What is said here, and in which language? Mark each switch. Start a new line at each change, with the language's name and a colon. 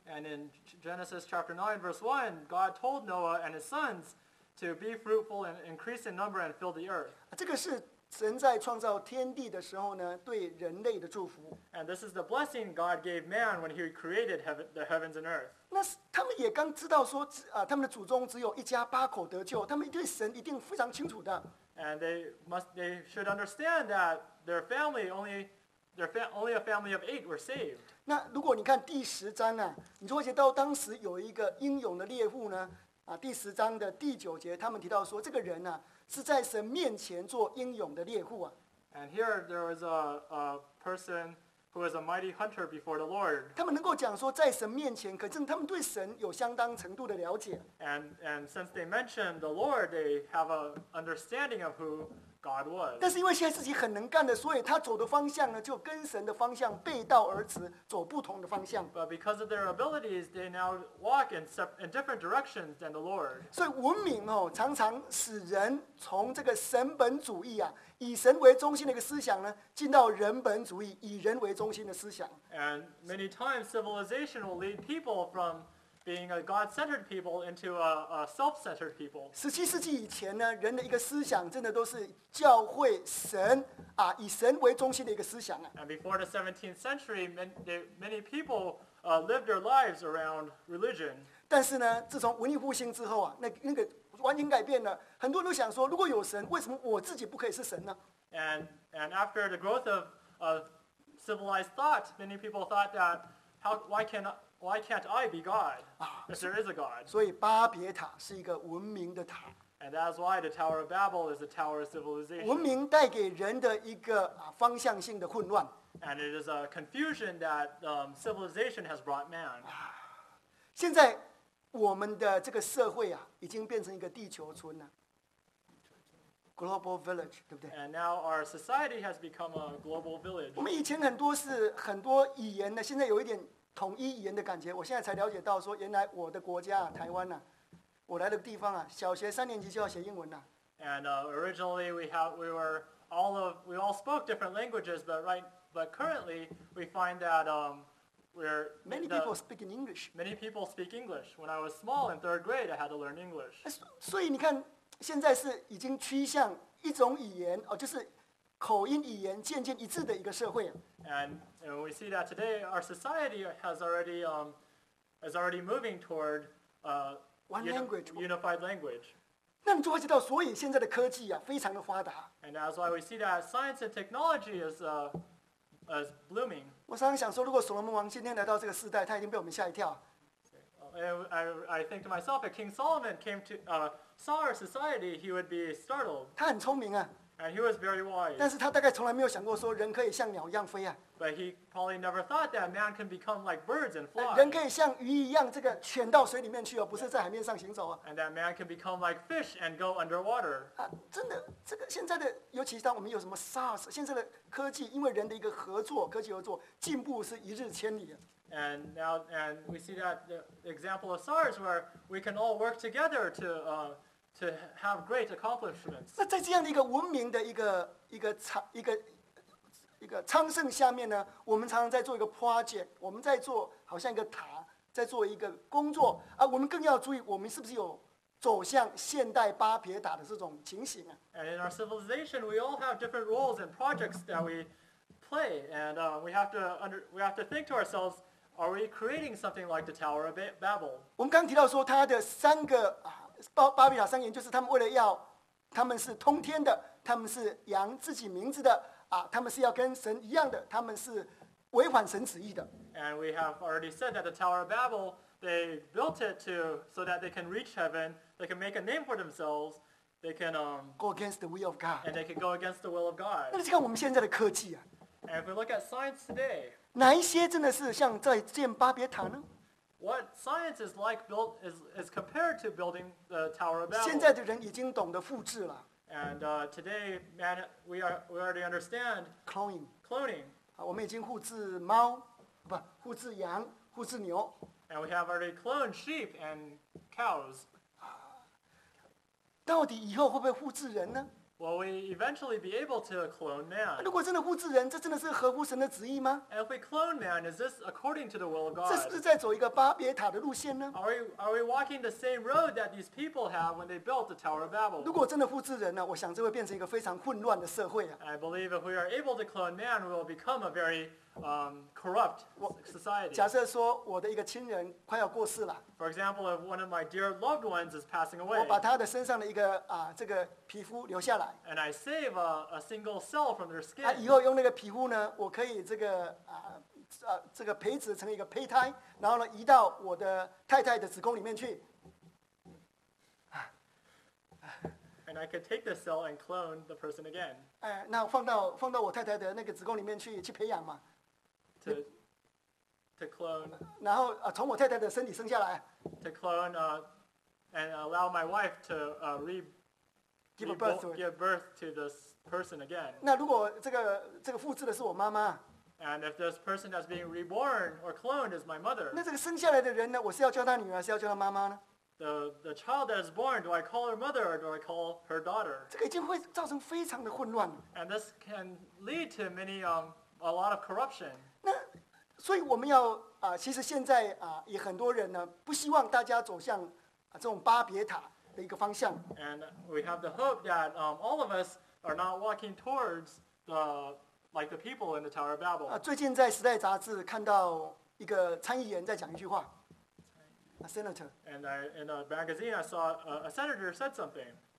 English: And in Genesis chapter 9 verse 1, God told Noah and his sons to be fruitful and increase in number and fill the earth.
Chinese: 这个是神在创造天地的时候呢，对人类的祝福。
English: And this is the blessing God gave man when He created the heavens and earth.
Chinese: 那他们也刚知道说，他们的祖宗只有一家八口得救，他们对神一定非常清楚的。
English: And they should understand that only a family of eight were saved.
Chinese: 那如果你看第十章你就会觉得当时有一个英勇的猎户呢，第十章的第九节，他们提到说这个人是在神面前做英勇的猎户啊。
English: And here there was a person who was a mighty hunter before the Lord.
Chinese: 他们能够讲说在神面前，可是他们对神有相当程度的了解。
English: And since they mentioned the Lord, they have an understanding of who God was.
Chinese: 但是因为现在自己很能干的，所以他走的方向呢，就跟神的方向背道而驰，走不同的方向。
English: But because of their abilities, they now walk in different directions than the Lord.
Chinese: 所以文明常常使人从这个神本主义以神为中心的一个思想呢，进到人本主义，以人为中心的思想。
English: And many times civilization will lead people from being a God-centered people into a self-centered people.
Chinese: 十七世纪以前呢，人的一个思想真的都是教会神以神为中心的一个思想
English: And before the 17th century, many people lived their lives around religion.
Chinese: 但是呢，自从文艺复兴之后那个完全改变了。很多人都想说，如果有神，为什么我自己不可以是神呢？
English: And after the growth of civilized thought, many people thought that why can't I be God? If there is a God.
Chinese: 所以巴别塔是一个文明的塔。
English: And that's why the Tower of Babel is a tower of civilization.
Chinese: 文明带给人的一个方向性的混乱。
English: And it is a confusion that civilization has brought man.
Chinese: 现在我们的这个社会已经变成一个地球村了。
English: Global village,
Chinese: 对不对？
English: And now our society has become a global village.
Chinese: 我们以前很多是很多语言呢，现在有一点统一语言的感觉，我现在才了解到说，原来我的国家台湾我来的地方小学三年级就要写英文了。
English: And originally we all spoke different languages, but currently we find that many people speak English. When I was small in third grade, I had to learn English.
Chinese: 所以你看，现在是已经趋向一种语言就是口音语言渐渐一致的一个社会。
English: And we see that today our society is already moving toward unified language.
Chinese: 那你就会知道，所以现在的科技非常的发达。
English: And that's why we see that science and technology is blooming.
Chinese: 我常常想说，如果所罗门王今天来到这个时代，他一定被我们吓一跳。
English: I think to myself, if King Solomon came to saw our society, he would be startled.
Chinese: 他很聪明
English: And he was very wise.
Chinese: 但是他大概从来没有想过说人可以像鸟一样飞
English: But he probably never thought that man can become like birds and fly.
Chinese: 人可以像鱼一样这个潜到水里面去不是在海面上行走
English: And that man can become like fish and go underwater.
Chinese: 真的，这个现在的，尤其当我们有什么 SARS， 现在的科技因为人的一个合作，科技合作进步是一日千里。
English: And we see that the example of SARS where we can all work together to have great accomplishments.
Chinese: 那在这样的一个文明的一个一个昌盛下面呢，我们常常在做一个 project， 我们在做好像一个塔，在做一个工作啊。我们更要注意，我们是不是有走向现代巴别塔的这种情形啊
English: ？And in our civilization, we all have different roles and projects that we play, and we have to think to ourselves, are we creating something like the Tower of Babel？
Chinese: 我们刚提到说，它的三个巴别塔三言，就是他们为了要，他们是通天的，他们是扬自己名字的。他们是要跟神一样的，他们是违反神旨意的。
English: And we have already said that the Tower of Babel, they built it to so that they can reach heaven, they can make a name for themselves, they can go against the will of God. And they can go against the will of God.
Chinese: 那就看我们现在的科技啊。
English: And if we look at science today,
Chinese: 哪一些真的是像在建巴别塔呢
English: ？What science is like built is compared to building the Tower of Babel.
Chinese: 现在的人已经懂得复制了。
English: And today, man, we already understand cloning. Cloning.
Chinese: 好，我们已经复制猫，不，复制羊，复制牛。
English: And we have already cloned sheep and cows.
Chinese: 到底以后会不会复制人呢
English: ？Will we eventually be able to clone man?
Chinese: 如果真的复制人，这真的是合乎神的旨意吗
English: ？And if we clone man, is this according to the will of God?
Chinese: 这是不是在走一个巴别塔的路线呢
English: ？Are we walking the same road that these people have when they built the Tower of Babel?
Chinese: 如果真的复制人呢，我想这会变成一个非常混乱的社会啊。
English: I believe if we are able to clone man, we will become a very corrupt society.
Chinese: 假设说我的一个亲人快要过世了。
English: For example, if one of my dear loved ones is passing away.
Chinese: 我把他的身上的一个这个皮肤留下来。
English: And I save a single cell from their skin.
Chinese: 以后用那个皮肤呢，我可以这个这个胚子成一个胚胎，然后呢移到我的太太的子宫里面去。
English: And I could take this cell and clone the person again.
Chinese: 那放到我太太的那个子宫里面去培养嘛。
English: To clone,
Chinese: 然后从我太太的身体生下来。
English: To clone, and allow my wife to give birth to this person again.
Chinese: 那如果这个复制的是我妈妈
English: ？And if this person that's being reborn or cloned is my mother?
Chinese: 那这个生下来的人呢？我是要叫她女儿，还是要叫她妈妈呢
English: ？The child that is born, do I call her mother or do I call her daughter?
Chinese: 这个已经会造成非常的混乱。
English: And this can lead to many a lot of corruption.
Chinese: 所以我们要其实现在也很多人呢不希望大家走向这种巴别塔的一个方向。
English: And we have the hope that all of us are not walking towards the people in the Tower of Babel.
Chinese: 最近在《时代》杂志看到一个参议员在讲一句话 ，
English: a senator. And in a magazine, I saw a senator said something.